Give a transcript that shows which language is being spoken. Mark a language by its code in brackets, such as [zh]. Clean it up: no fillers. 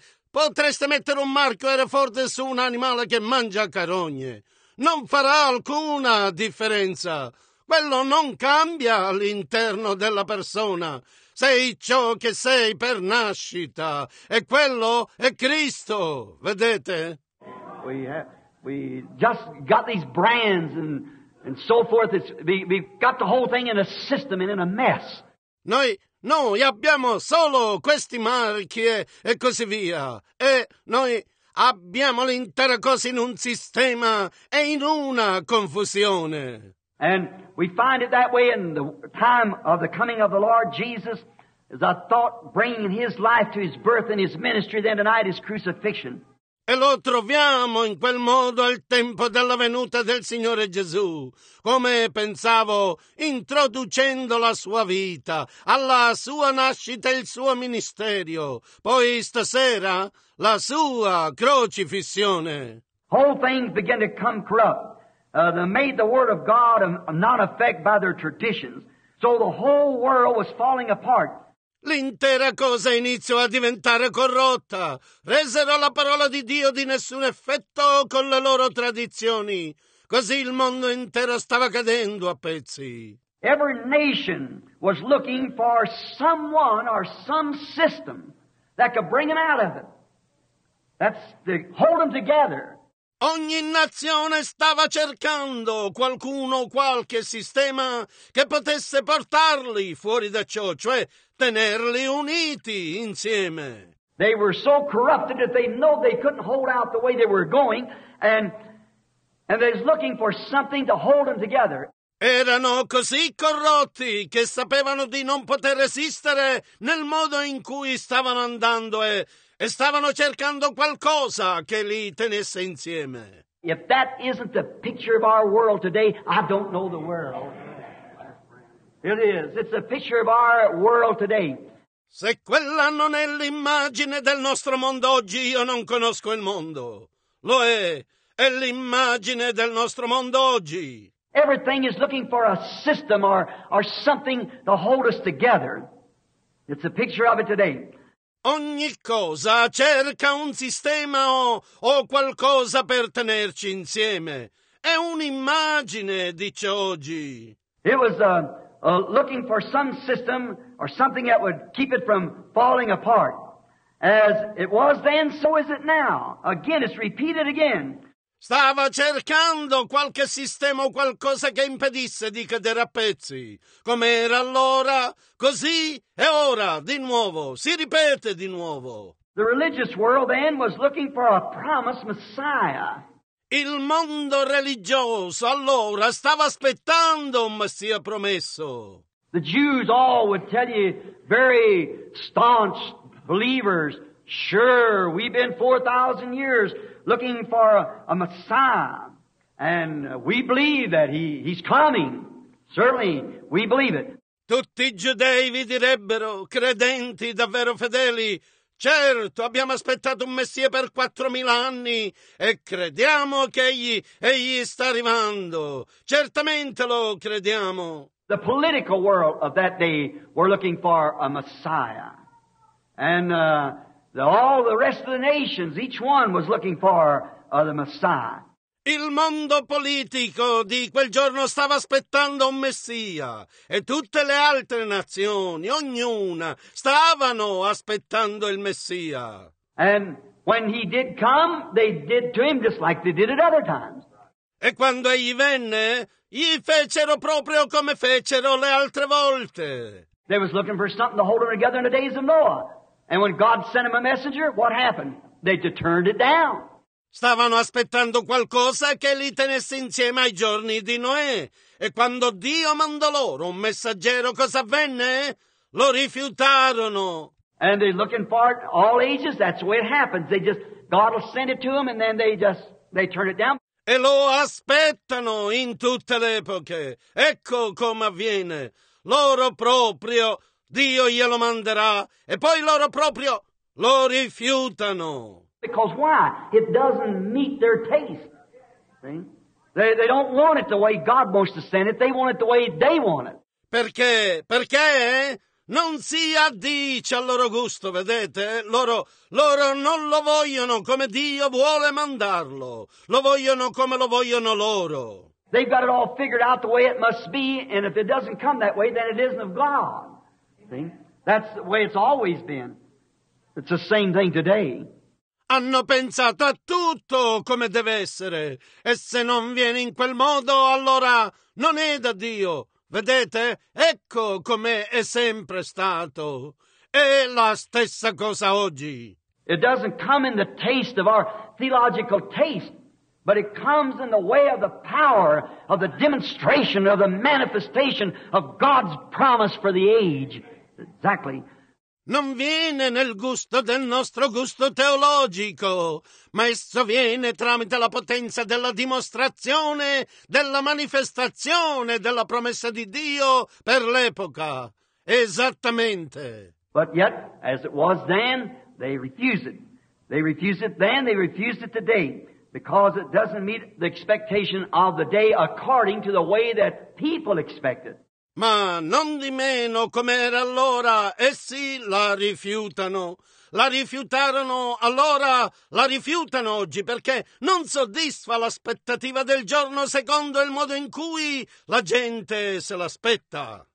[it] Potreste mettere un marchio Hereford su un animale che mangia carogne. Non farà alcuna differenza. Quello non cambia all'interno della persona. Sei ciò che sei per nascita, e quello è Cristo, vedete? [en] We just got these brands and so forth. We got the whole thing in a system and in a mess. [it] Noi abbiamo solo questi marchi e così via. E noi abbiamo l'intera cosa in un sistema e in una confusione. [en] And we find it that way in the time of the coming of the Lord Jesus. As I thought, bringing his life to his birth and his ministry, then tonight his crucifixion. [it] E lo troviamo in quel modo al tempo della venuta del Signore Gesù, come pensavo, introducendo la sua vita, alla sua nascita e il suo ministerio, poi stasera la sua crocifissione. [en] Whole things begin to come corrupt. They made the word of God not affect by their traditions, so the whole world was falling apart. [it] L'intera cosa iniziò a diventare corrotta. Resero la parola di Dio di nessun effetto con le loro tradizioni. Così il mondo intero stava cadendo a pezzi. [en] Every nation was looking for someone or some system that could bring them out of it. That's to hold them together. [it] Ogni nazione stava cercando qualcuno o qualche sistema che potesse portarli fuori da ciò, cioè tenerli uniti insieme. [en] They were so corrupted that they know they couldn't hold out the way they were going, and they was looking for something to hold them together. [it] Erano così corrotti che sapevano di non poter resistere nel modo in cui stavano andando e stavano cercando qualcosa che li tenesse insieme. [en] If that isn't the picture of our world today, I don't know the world. It is. It's the picture of our world today. [it] Se quella non è l'immagine del nostro mondo oggi, io non conosco il mondo. Lo è. È l'immagine del nostro mondo oggi. [en] Everything is looking for a system or something to hold us together. It's a picture of it today. [it] Ogni cosa cerca un sistema o qualcosa per tenerci insieme. È un'immagine di ciò oggi. [en] It was looking for some system or something that would keep it from falling apart. As it was then, so is it now. Again, it's repeated again. [it] Stava cercando qualche sistema o qualcosa che impedisse di cadere a pezzi. Come era allora, così è ora, di nuovo. Si ripete di nuovo. [en] The religious world then was looking for a promised Messiah. [it] Il mondo religioso allora stava aspettando un Messia promesso. [en] The Jews all would tell you, very staunch believers, sure, we've been 4,000 years looking for a Messiah, and we believe that he's coming. Certainly, we believe it. [it] Tutti i giudei vi direbbero, credenti davvero fedeli, certo, abbiamo aspettato un Messia per 4,000 anni e crediamo che egli sta arrivando. Certamente lo crediamo. [en] The political world of that day were looking for a Messiah, and all the rest of the nations, each one was looking for the Messiah. [it] Il mondo politico di quel giorno stava aspettando un Messia, e tutte le altre nazioni, ognuna, stavano aspettando il Messia. [en] And when he did come, they did to him just like they did at other times. [it] E quando egli venne, gli fecero proprio come fecero le altre volte. [en] They was looking for something to hold them together in the days of Noah. And when God sent him a messenger, what happened? They turned it down. [it] Stavano aspettando qualcosa che li tenesse insieme ai giorni di Noè. E quando Dio mandò loro un messaggero, cosa avvenne? Lo rifiutarono. [en] And they're looking for it all ages. That's the way it happens. They just, God will send it to them and then they turn it down. [it] E lo aspettano in tutte le epoche. Ecco come avviene. Loro proprio, Dio glielo manderà, e poi loro proprio lo rifiutano. [en] Because why? It doesn't meet their taste. See? They don't want it the way God wants to send it. They want it the way they want it. [it] Perché? Perché non si addice al loro gusto, vedete? Loro non lo vogliono come Dio vuole mandarlo. Lo vogliono come lo vogliono loro. [en] They've got it all figured out the way it must be, and if it doesn't come that way, then it isn't of God. That's the way it's always been. It's the same thing today. [it] Hanno pensato a tutto come deve essere. E se non viene in quel modo, allora non è da Dio. Vedete? Ecco come è sempre stato. È la stessa cosa oggi. [en] It doesn't come in the taste of our theological taste, but it comes in the way of the power of the demonstration of the manifestation of God's promise for the age. Exactly. [it] non viene nel gusto del nostro gusto teologico, ma esso viene tramite la potenza della dimostrazione, della manifestazione della promessa di Dio per l'epoca. Esattamente. [en] But yet, as it was then, they refuse it. They refuse it then, they refuse it today, because it doesn't meet the expectation of the day according to the way that people expect it. [it] Ma non di meno, come era allora, essi la rifiutano. La rifiutarono allora, la rifiutano oggi, perché non soddisfa l'aspettativa del giorno secondo il modo in cui la gente se l'aspetta.